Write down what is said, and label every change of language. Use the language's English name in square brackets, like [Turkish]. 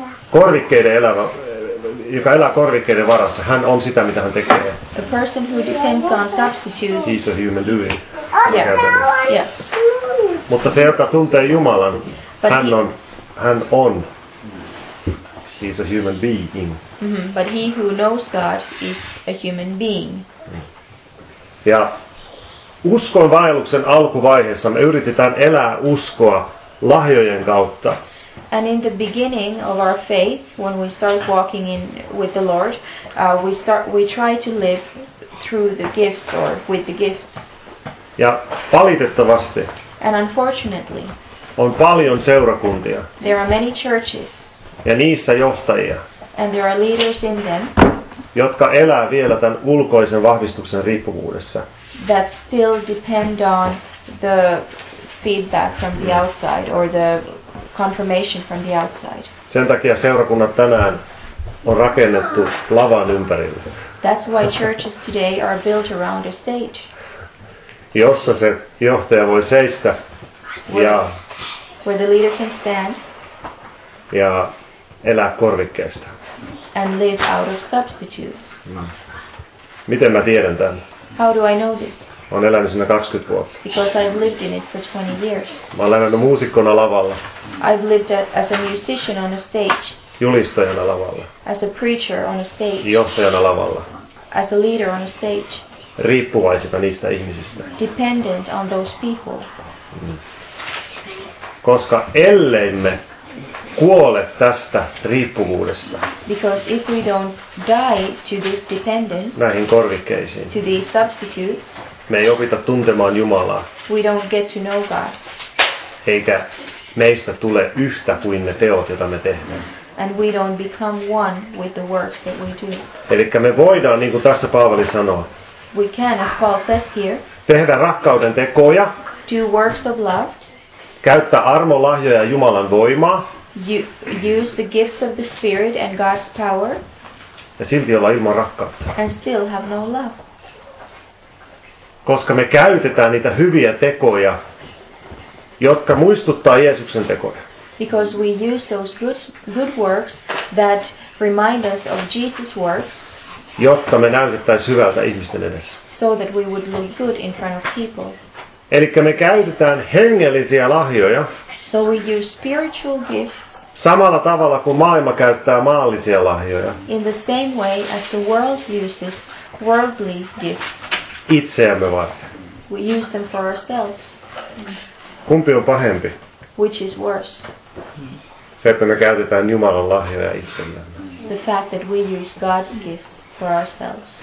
[Finnish] Korvikkeiden elävä, joka elää korvikkeiden varassa, hän on sitä, mitä hän tekee. [English] A person who depends on substitutes. He's a human doing. Yeah. [Finnish] Mutta se, joka tuntee Jumalan, but hän on, hän on. [English] He's a human being. Mm-hmm. But he who knows God is a human being. [Finnish] Ja uskon vaelluksen alkuvaiheessa me yritetään elää uskoa lahjojen kautta. [English] And in the beginning of our faith, when we start walking in with the Lord, we try to live through the gifts or with the gifts. [Finnish] Ja valitettavasti. [English] And unfortunately. [Finnish] On paljon seurakuntia. [English] There are many churches. [Finnish] Ja niissä johtajia. [English] And there are leaders in them. [Finnish] Jotka elää vielä tämän ulkoisen vahvistuksen riippuvuudessa. [English] That still depend on the feedback from the outside or the confirmation from the outside. [Finnish] Sen takia seurakunnat tänään on rakennettu lavan ympärille. [English] That's why churches today are built around a stage. [Finnish] Jossa se johtaja voi seistä ja [English] where the leader can stand. [Finnish] Ja elää korvikkeesta. [English] And live out of substitutes. [Finnish] Miten mä tiedän tämän? [English] How do I know this? [Finnish] Olen elänyt siinä 20 vuotta. [English] Because I've lived in it for 20 years. [Finnish] Mä olen elänyt muusikkona lavalla. [English] I've lived as a musician on a stage. [Finnish] Julistajana lavalla. [English] As a preacher on a stage. [Finnish] Johtajana lavalla. [English] As a leader on a stage. [Finnish] Riippuvaisena niistä ihmisistä. [English] Dependent on those people. [Finnish] Koska ellemme kuole tästä riippuvuudesta. [English] Because if we don't die to this dependence, [Finnish] näihin korvikkeisiin, [English] to these substitutes, [Finnish] me ei opita tuntemaan Jumalaa. [English] We don't get to know God. [Finnish] Eikä meistä tule yhtä kuin ne teot, joita me tehdään. [English] And we don't become one with the works that we do. [Finnish] Elikkä me voidaan, niin kuin tässä Paavali sanoo, [English] we can, as Paul says here, [Finnish] tehdä rakkauden tekoja, [English] do works of love, [Finnish] käyttää armolahjoja Jumalan voimaa. [English] Use the gifts of the Spirit and God's power. [Finnish] Ja silti olla ilman rakkautta. [English] And still have no love. [Finnish] Koska me käytetään niitä hyviä tekoja, jotka muistuttaa Jeesuksen tekoja. [English] Because we use those good works that remind us of Jesus' works. [Finnish] Jotta me näytettäisiin hyvältä ihmisten edessä. [English] So that we would look good in front of people. [Finnish] Elikkä me käytetään hengellisiä lahjoja. [English] So we use spiritual gifts. [Finnish] Samalla tavalla kuin maailma käyttää maallisia lahjoja. [English] In the same way as the world uses worldly gifts. [Finnish] Itseämme varten. [English] We use them for ourselves. [Finnish] Kumpi on pahempi? [English] Which is worse? [Finnish] Se, että me käytetään Jumalan lahjoja itsellemme. The fact that we use God's gifts for ourselves.